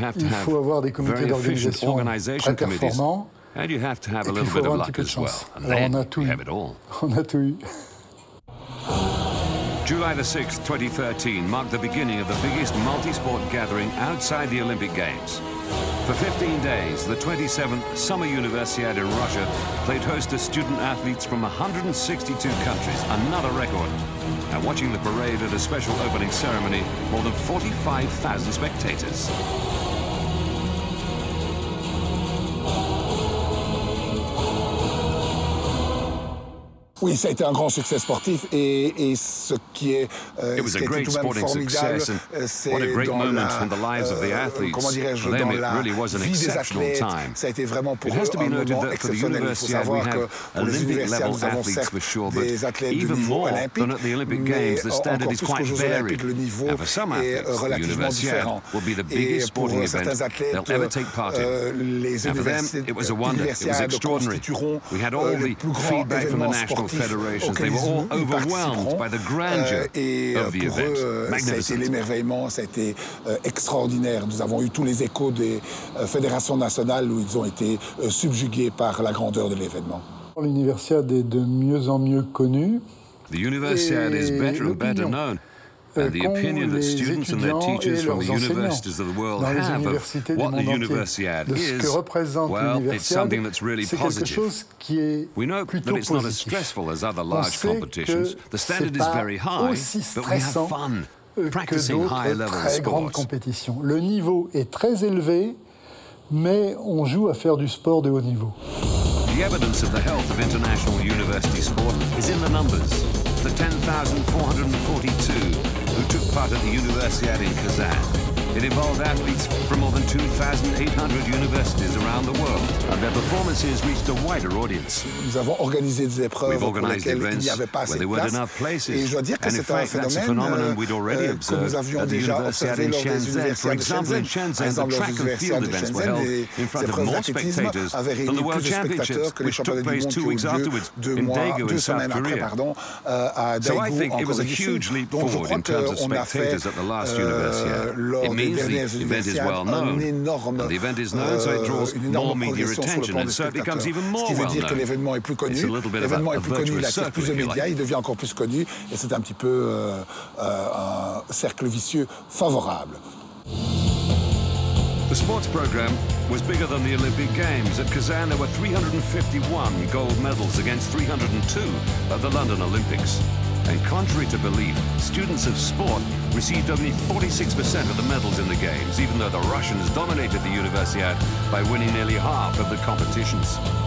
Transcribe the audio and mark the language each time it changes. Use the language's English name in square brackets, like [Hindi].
[French] Il faut avoir des comités d'organisation très performants. Et il faut avoir un petit peu de chance. Alors on a tout eu. [English] July the 6th, 2013 marked the beginning of the biggest multi-sport gathering outside the Olympic Games. For 15 days, the 27th Summer Universiade in Russia played host to student athletes from 162 countries, another record. And watching the parade at a special opening ceremony, more than 45,000 spectators. [French] Oui, ça a été un grand succès sportif et ce qui est ça a été vraiment pour eux un moment exceptionnel. Il faut savoir que pour les universitaires, nous avons certes des athlètes de niveau olympique, mais encore plus qu'aux Jeux olympiques, le niveau est relativement différent. Et pour certains athlètes, les universitaires constitueront le plus grand événement sportif. [English] They were all overwhelmed by the grandeur of the event. Magnificent. [French] Ça a été l'émerveillement, ça a été extraordinaire. Nous avons eu tous les échos des fédérations nationales où ils ont été subjugués par la grandeur de l'événement. L'Universiade est de mieux en mieux connue. [English] The Universiade is better and better known. And the opinion that students and their teachers from the universities of the world have of what the Universiade is, well, it's something that's really positive. We know that it's not as stressful as other large competitions. The standard is very high, but we have fun practicing high-level sports. [French] Le niveau est très élevé, mais on joue à faire du sport de haut niveau. [English] The evidence of the health of international university sport is in the numbers. The 10,442 who took part at the Universiade in Kazan. It involved athletes from more than 2,800 universities around the world, and their performances reached a wider audience. [French] Nous avons organisé des épreuves pour lesquelles il n'y avait pas assez de place, et je dois dire que c'est un phénomène que nous avions déjà observé lors des universiades de Shenzhen. Par exemple, dans les universiades de Shenzhen, les épreuves d'athlétisme avaient réuni plus de spectateurs que les championnats du monde qui ont eu lieu deux semaines après, à Daegu, en Corée du Sud. Donc je crois qu'on a fait [English] It means the event is well known. And the event is known, so it draws more media attention, and so it becomes even more well known. [French] Que l'événement est plus connu. [English] It's a little bit of a virtuous circle. [French] Plus de médias, il devient encore plus connu, et c'est un petit peu un cercle vicieux favorable. [English] The sports program was bigger than the Olympic Games. At Kazan, there were 351 gold medals against 302 at the London Olympics. And contrary to belief, students of sport received only 46% of the medals in the games, even though the Russians dominated the Universiade by winning nearly half of the competitions.